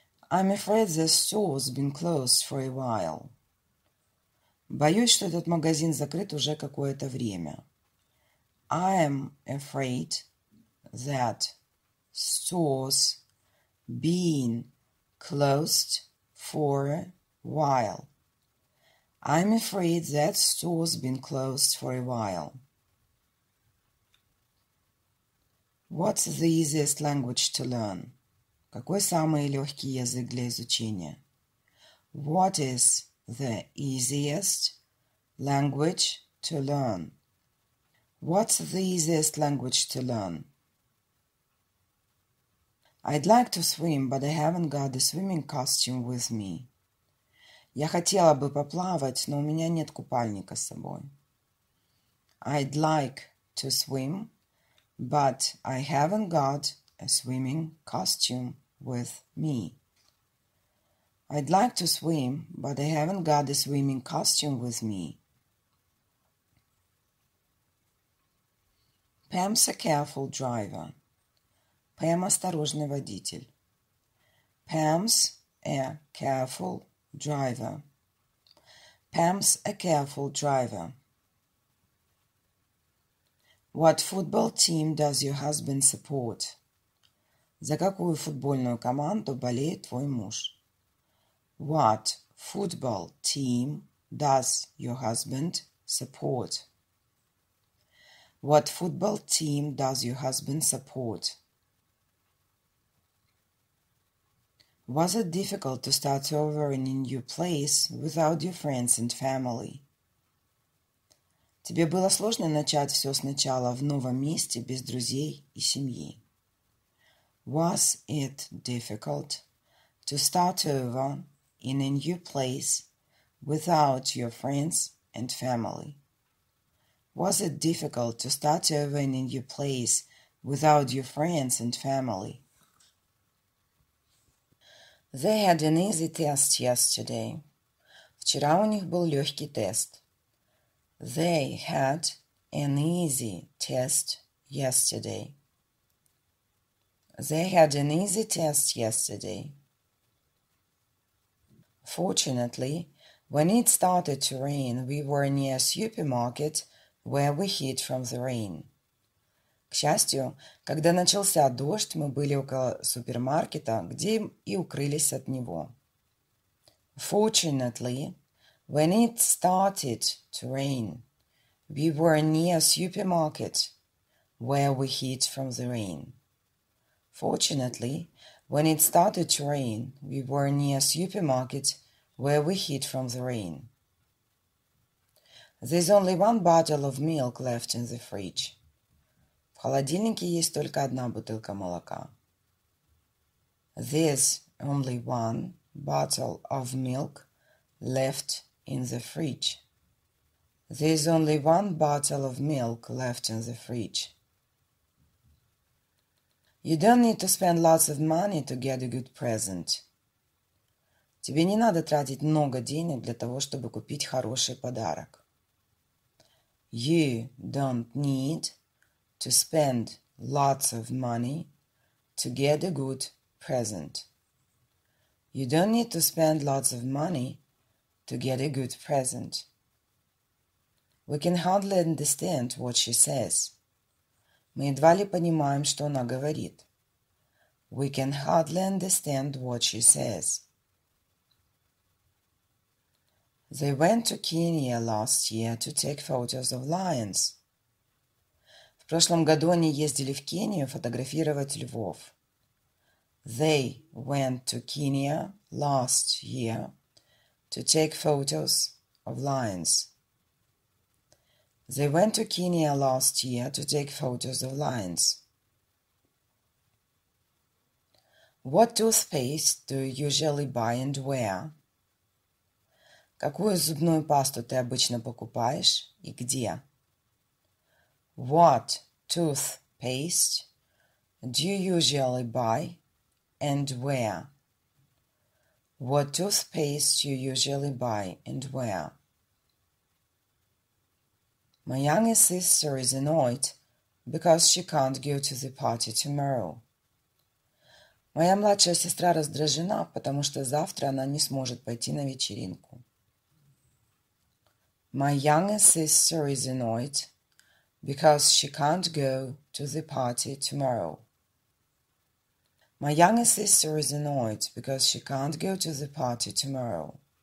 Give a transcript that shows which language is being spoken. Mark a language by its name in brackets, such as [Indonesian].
[English] I'm afraid the store's been closed for a while. [Russian] Боюсь, что этот магазин закрыт уже какое-то время. [English] I am afraid that store's been closed for a while. I'm afraid that store's been closed for a while. What's the easiest language to learn? [Russian] Какой самый легкий язык для изучения? [English] What is the easiest language to learn? What's the easiest language to learn? I'd like to swim, but I haven't got a swimming costume with me. [Russian] Я хотела бы поплавать, но у меня нет купальника с собой. [English] I'd like to swim, but I haven't got a swimming costume with me. I'd like to swim, but I haven't got a swimming costume with me. Pam's a careful driver. [Russian] Pam – осторожный водитель. [English] Pam's a careful driver. Pam's a careful driver. What football team does your husband support? [Russian] За какую футбольную команду болеет твой муж? [English] What football team does your husband support? What football team does your husband support? Was it difficult to start over in a new place without your friends and family? [Russian] Тебе было сложно начать все сначала в новом месте без друзей и семьи? [English] Was it difficult to start over in a new place without your friends and family? Was it difficult to start over in a new place without your friends and family? They had an easy test yesterday. [Russian] Вчера у них был легкий тест. [English] They had an easy test yesterday. They had an easy test yesterday. Fortunately, when it started to rain, we were near a supermarket where we hid from the rain. [Russian] К счастью, когда начался дождь, мы были около супермаркета, где и укрылись от него. [English] Fortunately, when it started to rain, we were near a supermarket where we hid from the rain. Fortunately, when it started to rain, we were near a supermarket where we hid from the rain. There's only one bottle of milk left in the fridge. [Russian] В холодильнике есть только одна бутылка молока. [English] There's only one bottle of milk left in the fridge. There's only one bottle of milk left in the fridge. You don't need to spend lots of money to get a good present. [Russian] Тебе не надо тратить много денег для того, чтобы купить хороший подарок. [English] You don't need to spend lots of money to get a good present. You don't need to spend lots of money to get a good present. We can hardly understand what she says. [Russian] Мы едва ли понимаем, что она говорит. [English] We can hardly understand what she says. They went to Kenya last year to take photos of lions. [Russian] В прошлом году они ездили в Кению фотографировать львов. [English] They went to Kenya last year to take photos of lions. They went to Kenya last year to take photos of lions. What toothpaste do you usually buy and where? [Russian] Какую зубную пасту ты обычно покупаешь и где? [English] What toothpaste do you usually buy and where? What toothpaste do you usually buy and where? My youngest sister is annoyed because she can't go to the party tomorrow. [Russian] Моя младшая сестра раздражена, потому что завтра она не сможет пойти на вечеринку. [English] My youngest sister is annoyed because she can't go to the party tomorrow. My youngest sister is annoyed because she can't go to the party tomorrow.